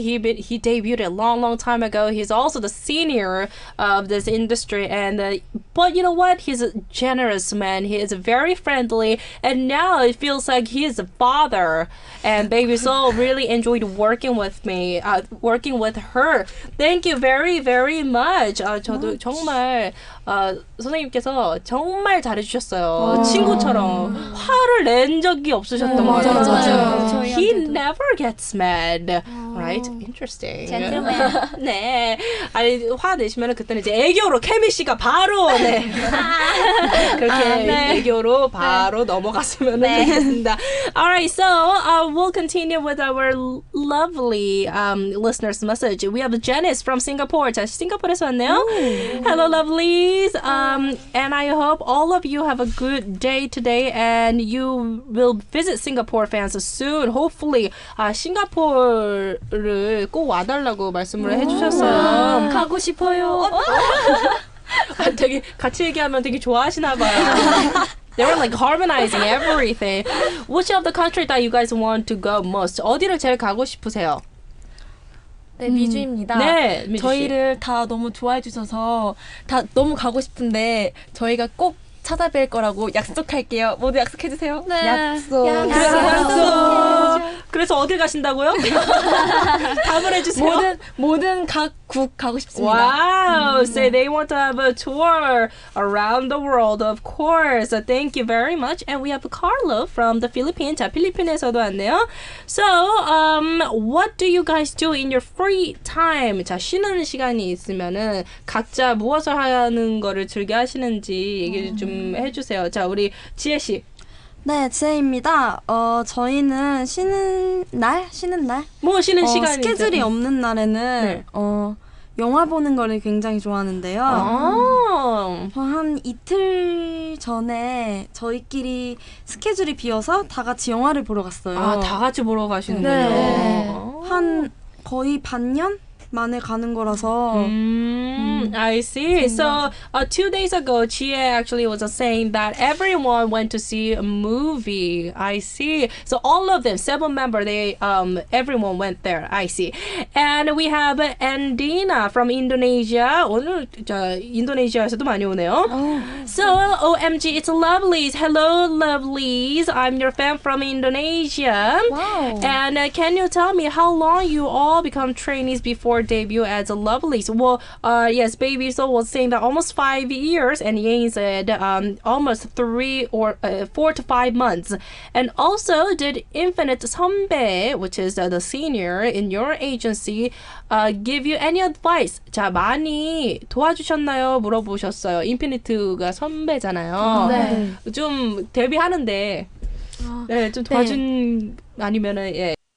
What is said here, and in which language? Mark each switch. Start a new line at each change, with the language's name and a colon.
English: He debuted a long, long time ago. He's also the senior of this industry. And but you know what? He's a generous man. He is very friendly. And now it feels like he is a father. And Baby Soul really enjoyed working with me, working with her. Thank you very, very much.
Korean: 저도 정말... 선생님께서 정말 잘해주셨어요. 친구처럼 화를 낸 적이 없으셨던 것 같아요. 맞아요. 맞아요.
English: He never gets mad. Right? Interesting. Gentleman.
Korean: 네. 아니, 화내시면 그때는 이제 애교로 케미 씨가 바로 네. 그렇게 네. 애교로 바로 네. 넘어갔으면 네. 좋겠습니다.
English: Alright, so we'll continue with our lovely listeners' message. We have Janice from Singapore.
Korean: 자, 싱가포르에서 왔네요.
English: Hello, lovely. And I hope all of you have a good day today and you will visit Singapore fans soon, hopefully.
Korean: 싱가포르를 꼭 와달라고 말씀을 해주셨어요. 가고 싶어요. 되게 같이 얘기하면 되게 좋아하시나 봐요.
English: They were like harmonizing everything. Which of the country that you guys want to go most?
Korean: 어디를 제일 가고 싶으세요? 네, 미주입니다. 네, 저희를 다 너무 좋아해 주셔서 다 너무 가고 싶은데 저희가 꼭 찾아뵐 거라고 약속할게요. 모두 약속해 주세요. 네. 약속. 약속. 그래서 어딜 가신다고요? 답을 해 주세요. 모든 각 국 가고 싶습니다. 와우.
English: Wow, say they want to have a tour around the world. Of course. Thank you very much. And we have Carlo from the Philippines.
Korean: 자, 필리핀에서도 왔네요.
English: So, what do you guys do in your free time?
Korean: 자, 쉬는 시간이 있으면은 각자 무엇을 하는 거를 즐겨 하시는지 얘기를 좀 해 주세요. 자, 우리 지혜 씨. 네, 지혜입니다. 저희는 쉬는 날? 뭐 쉬는 시간이 스케줄이 있잖아. 없는 날에는 네. 영화 보는 거를 굉장히 좋아하는데요. 저 한 이틀 전에 저희끼리 스케줄이 비어서 다 같이 영화를 보러 갔어요. 아, 다 같이 보러 가시는군요. 네. 한 거의 반년? 만에 가는 거라서
English: I see. So, 2 days ago, Chie actually was saying that everyone went to see a movie. I see. So, all of them, 7 members, everyone went there. I see. And we have Andina from Indonesia.
Korean: 오늘 인도네시아에서도 많이 오네요.
English: So, OMG, it's lovelies. Hello, lovelies. I'm your fan from Indonesia. Wow. And can you tell me how long you all become trainees before debut as a lovelies? Well, yes, Baby Soul was saying that almost 5 years, and Yein said almost 4 to 5 months. And also, did Infinite Sunbae, which is the senior in your agency, give you any advice?
Korean: 자, 많이 도와주셨나요? 물어보셨어요. 인피니트가 선배잖아요. 네. 좀 데뷔하는데 네, 좀 도와준 네. 아니면은 예.